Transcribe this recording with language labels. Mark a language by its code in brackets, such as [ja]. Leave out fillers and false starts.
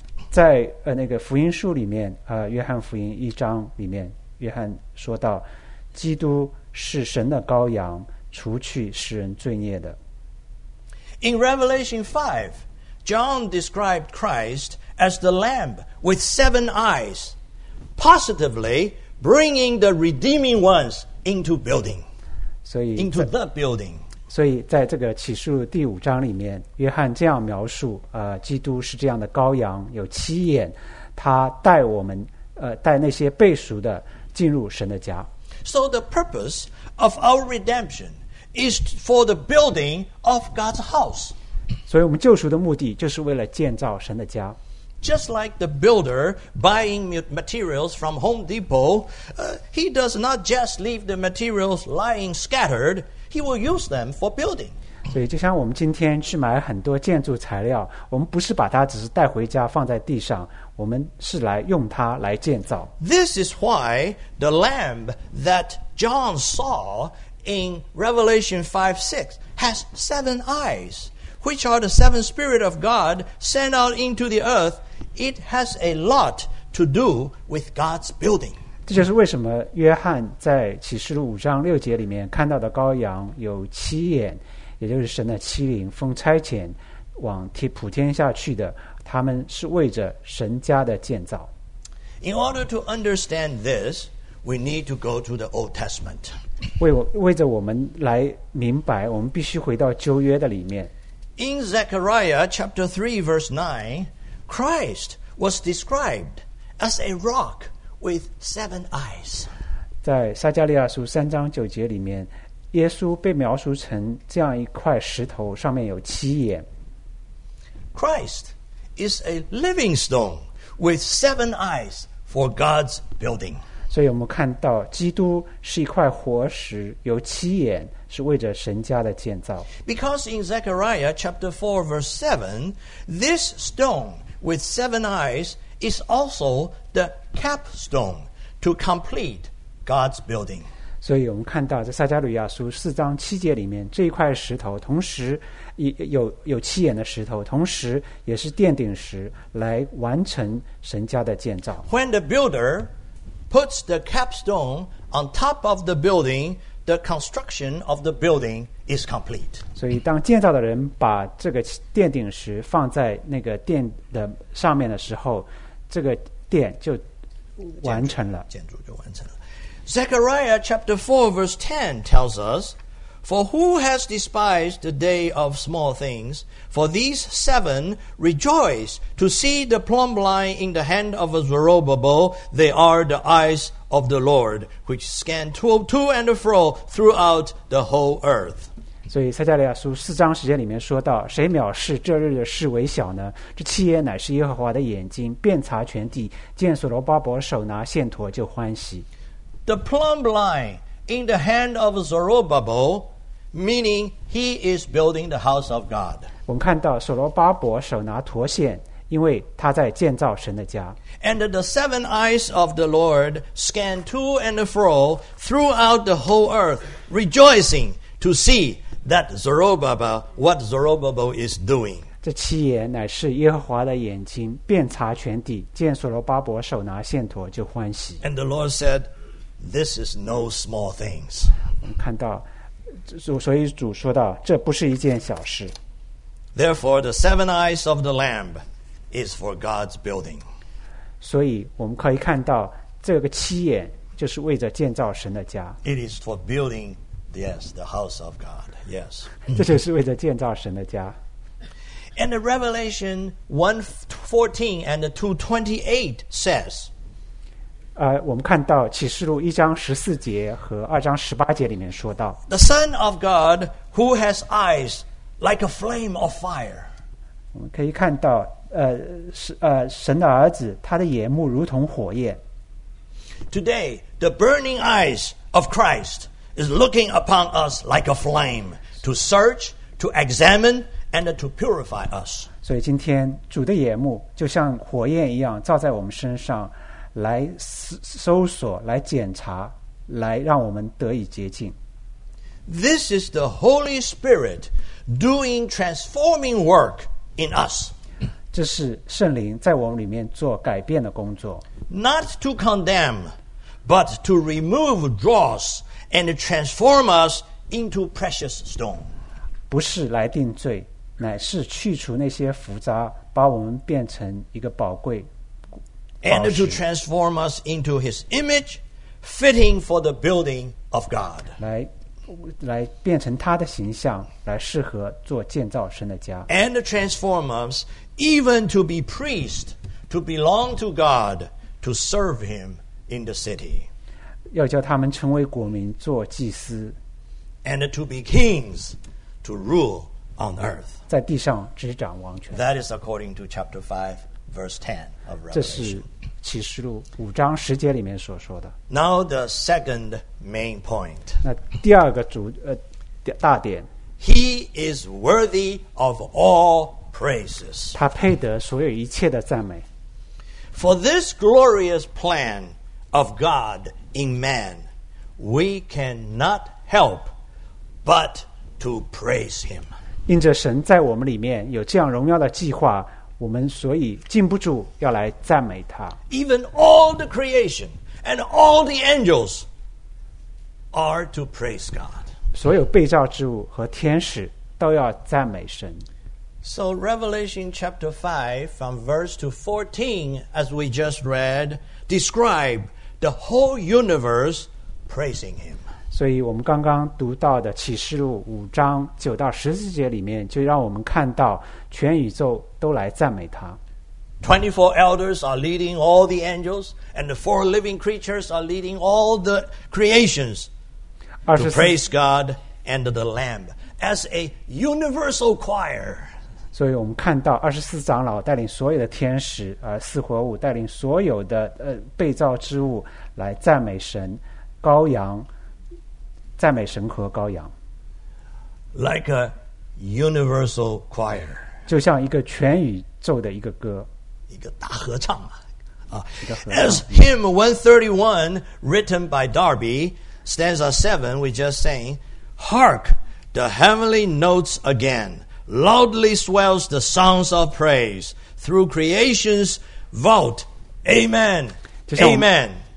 [zh] 在那个福音书里面，约翰福音一章里面，约翰说到，基督是神的羔羊，除去世人罪孽的。 [en] In Revelation 5, John described Christ as the Lamb with seven eyes, positively bringing the redeeming ones into building. [zh] 所以 [en] into the building. [zh] 所以在这个启示录第五章里面，约翰这样描述，基督是这样的羔羊，有七眼，他带我们，带那些被赎的进入神的家。 [en] So the purpose of our redemption is for the building of God's house. [zh] 所以我们救赎的目的就是为了建造神的家。 [en] Just like the builder buying materials from Home Depot, he does not just leave the materials lying scattered. He will use them for building. [zh] 所以就像我们今天去买很多建筑材料，我们不是把它只是带回家放在地上。我们是来用它来建造。 [en] This is why the lamb that John saw in Revelation 5:6 has seven eyes, which are the seven spirit of God sent out into the earth. It has a lot to do with God's building. [zh] 这就是为什么约翰在启示录五章六节里面看到的羔羊有七眼，也就是神的七灵，奉差遣往普天下去的。他们是为着神家的建造。 [en] In order to understand this, we need to go to the Old Testament. [zh] 为着我们来明白，我们必须回到旧约的里面。 [en] In Zechariah chapter 3 verse 9, Christ was described as a rock with seven eyes. [zh] 在撒迦利亚书三章九节里面，耶稣被描述成这样一块石头，上面有七眼。 [en] Christ is a living stone with seven eyes for God's building. [zh] 所以我们看到基督是一块活石，有七眼，是为着神家的建造。 [en] Because in Zechariah chapter 4 verse 7, this stone with seven eyes is also the capstone to complete God's building. [zh] 所以我们看到在撒迦利亚书四章七节里面，这一块石头同时有七眼的石头，同时也是奠顶石，来完成神家的建造。 [en] When the builder puts the capstone on top of the building, the construction of the building is complete. [zh] 所以当建造的人把这个奠顶石放在那个殿的上面的时候，这个殿就完成了，建筑就完成了。 [en] Zechariah chapter 4 verse 10 tells us, For who has despised the day of small things? For these seven rejoice to see the plumb line in the hand of a Zerubbabel. They are the eyes of the Lord, which scan to and fro throughout the whole earth. [zh] 所以撒迦利亚书四章十节里面说到，谁藐视这日的事为小呢？这七眼乃是耶和华的眼睛，遍察全地，见所罗巴伯手拿线砣就欢喜。 [en] The plumb line in the hand of Zerubbabel, meaning he is building the house of God. [zh] 我们看到所罗巴伯手拿砣线，因为他在建造神的家。 [en] And the seven eyes of the Lord scan to and fro throughout the whole earth, rejoicing to see that Zerubbabel, what Zerubbabel is doing. [zh] 这七眼乃是耶和华的眼睛，遍察全地，见所罗巴伯手拿线砣就欢喜。 [en] And the Lord said, This is no small things. [zh] 我们看到，所以主说到，这不是一件小事。 [en] Therefore, the seven eyes of the Lamb is for God's building. [zh] 所以我们可以看到，这个七眼就是为着建造神的家。 [en] It is for building Yes, the house of God. Yes. [zh] 这就是为着建造神的家。 [en] And the Revelation 1:14 and 2:28 says, [zh] 我们看到启示录一章十四节和二章十八节里面说到 [en] The Son of God who has eyes like a flame of fire. [zh] 我们可以看到神的儿子他的眼目如同火焰。 [en] Today, the burning eyes of Christ is looking upon us like a flame to search, to examine, and to purify us. [zh] 所以今天主的眼目就像火焰一样照在我们身上来搜索来检查来让我们得以洁净。 [en] This is the Holy Spirit doing transforming work in us. [zh] 这是圣灵在我们里面做改变的工作。 [en] Not to condemn, but to remove dross and transform us into precious stone. [zh] 不是来定罪，乃是去除那些浮渣，把我们变成一个宝贵宝石。 [en] And to transform us into His image, fitting for the building of God. [zh] 来变成他的形象，来适合做建造神的家。 [en] And transform us even to be priests, to belong to God, to serve Him in the city. [zh] 要叫他们成为国民，做祭司。 [en] And to be kings, to rule on earth. [zh] 在地上执掌王权。 [en] That is according to chapter 5, verse 10 of Revelation. [zh] 这是启示录五章十节里面所说的。 [en] Now the second main point. [zh] 那第二个大点。 [en] He is worthy of all praises. [zh] 他配得所有一切的赞美。 [en] For this glorious plan of God in man, we cannot help but to praise Him. [zh] 因着神在我们里面有这样荣耀的计划，我们所以禁不住要来赞美他。 [en] Even all the creation and all the angels are to praise God. [zh] 所有被造之物和天使都要赞美神。 [en] So Revelation chapter 5 from verse to 14 as we just read describe the whole universe praising him. [zh] 所以我们刚刚读到的启示录五章九到十四节里面就让我们看到全宇宙都来赞美他。 [en] 24 elders are leading all the angels and the four living creatures are leading all the creations to praise God and the Lamb as a universal choir. [zh] 所以我们看到二十四长老带领所有的天使四活物带领所有的被造之物来赞美神羔羊赞美神和羔羊 [en] Like a universal choir [zh] 就像一个全宇宙的一个歌一个大合唱 [en] As hymn 131 written by Darby stanza 7 we just sang Hark the heavenly notes againLoudly swells the songs of praise through creation's vault. Amen. Amen.